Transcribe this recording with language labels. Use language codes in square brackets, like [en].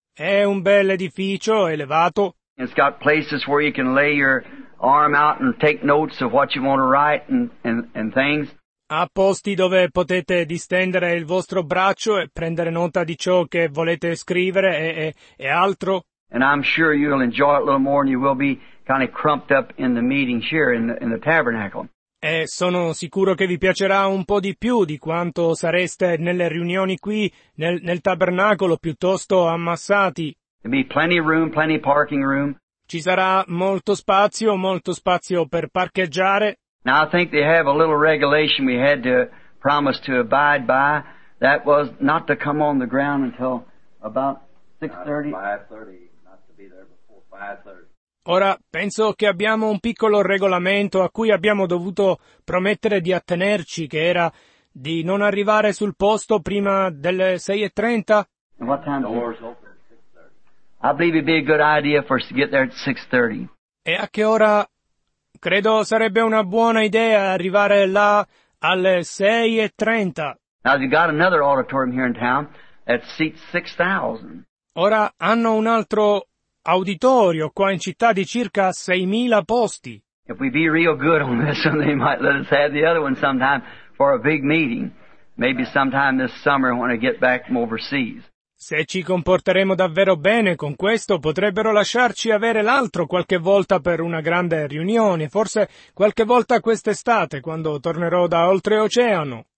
[it] È un bel edificio, elevato. [en] It's got places where you can lay your arm out and take notes of what you want to write and things. [it] Ha posti dove potete distendere il vostro braccio e prendere nota di ciò che volete scrivere e altro. [en] And I'm sure you'll enjoy it a little more and you will be kind of crumped up in the meetings here in the tabernacle. [it] E sono sicuro che vi piacerà un po' di più di quanto sareste nelle riunioni qui nel tabernacolo piuttosto ammassati. [en] There'll be plenty of room, plenty of parking room. [it] Ci sarà molto spazio per parcheggiare. [en] Now I think they have a little regulation we had to promised to abide by, that was not to come on the ground until about 6:30. 5:30, not to be there before 5:30. [it] Ora, penso che abbiamo un piccolo regolamento a cui abbiamo dovuto promettere di attenerci, che era di non arrivare sul posto prima delle 6:30. [en] What time is it? Doors open at 6:30. I believe it'd be a good idea for us to get there at 6:30. [it] E a che ora credo sarebbe una buona idea arrivare là alle 6:30? [en] Now you got another auditorium here in town that seats 6,000. [it] Ora hanno un altro auditorio qua in città di circa 6,000 posti. [en] If we be real good on this, they might let us have the other one sometime for a big meeting. Maybe sometime this summer when I get back from overseas. [it] Se ci comporteremo davvero bene con questo, potrebbero lasciarci avere l'altro qualche volta per una grande riunione, forse qualche volta quest'estate, quando tornerò da oltreoceano.